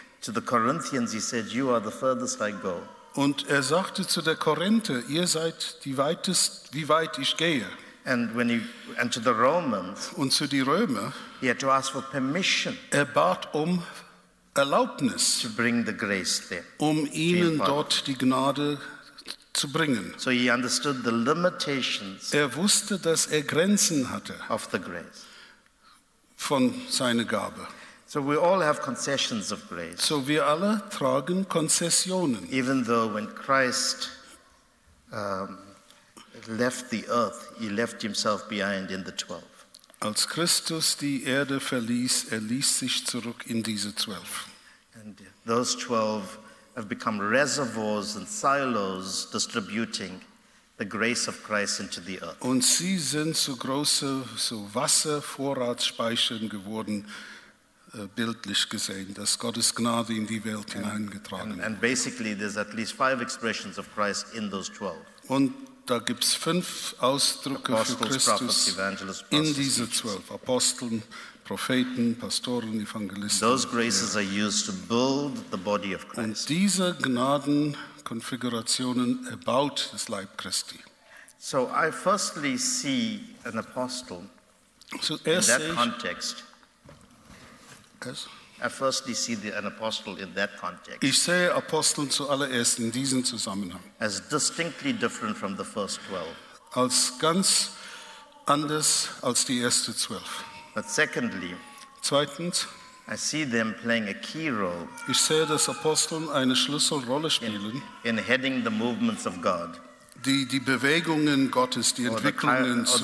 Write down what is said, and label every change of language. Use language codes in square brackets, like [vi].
[en] To the Corinthians, he said, you are the furthest I go. [de] Und er sagte zu der Korinther, ihr seid die weitest, wie weit ich gehe. [en] And when he, and to the Romans, [de] und zu die Römer, [en] he had to ask for permission, [de] er bat um Erlaubnis, [en] to bring the grace there, [de] um ihnen dort die Gnade zu bringen. [en] So he understood the limitations, [de] er wusste, dass er Grenzen hatte, [en] of the grace, [de] von seiner Gabe. [en] So we all have concessions of grace. [de] So wir alle tragen Konzessionen. [en] Even though when Christ left the earth, he left himself behind in the 12. [de] Als Christus die Erde verließ, er ließ sich zurück in diese 12. [en] And those 12 have become reservoirs and silos distributing the grace of Christ into the earth. [de] Und sie sind so große, so Wasservorratsspeichern geworden, bildlich gesehen, dass Gottes Gnade in die Welt hineingetragen [en] and basically there's at least five expressions of Christ in those 12. [de] Und da gibt's fünf Ausdrücke [en] Apostles, [de] für Christus, [en] prophets, evangelists, pastors, [de] in diese 12 Aposteln, Propheten, Pastoren, Evangelisten. [en] Those graces are used to build the body of Christ. [de] Und diese Gnadenkonfigurationen erbaut das Leib Christi. [en] So I firstly see an apostle [de] so [en] in that context. Yes. I firstly see an apostle in that context. [de] Ich sehe Aposteln zuallererst in diesem Zusammenhang. [en] As distinctly different from the first 12. [de] Als ganz anders als die ersten 12. [en] But secondly, [de] zweitens, [en] I see them playing a key role. [de] Ich sehe, dass Aposteln eine Schlüsselrolle spielen. [en] In heading the movements of God. [de] Die Bewegungen Gottes, die Entwicklungen zu führen.